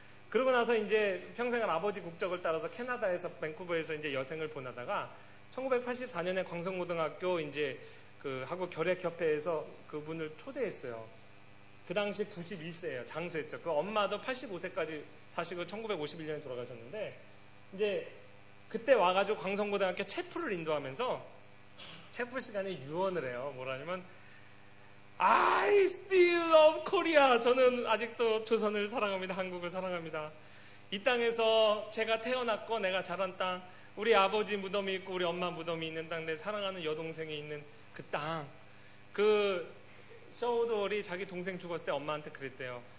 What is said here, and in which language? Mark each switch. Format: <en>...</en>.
<ko>그러고 나서 이제 평생을 아버지 국적을 따라서 캐나다에서 밴쿠버에서 이제 여생을 보내다가 1984년에 광성고등학교 이제 그 하고 결핵협회에서 그분을 초대했어요. 그 당시 91세예요. 장수했죠. 그 엄마도 85세까지 사시고 1951년에 돌아가셨는데 이제 그때 와가지고 광성고등학교 체플을 인도하면서 체플 시간에 유언을 해요. 뭐라냐면</ko> <en>I still love Korea.</en> <ko>저는 아직도 조선을 사랑합니다. 한국을 사랑합니다. 이 땅에서 제가 태어났고 내가 자란 땅 우리 아버지 무덤이 있고 우리 엄마 무덤이 있는 땅 내 사랑하는 여동생이 있는 그 땅 그 셔우드홀이 자기 동생 죽었을 때 엄마한테 그랬대요.</ko>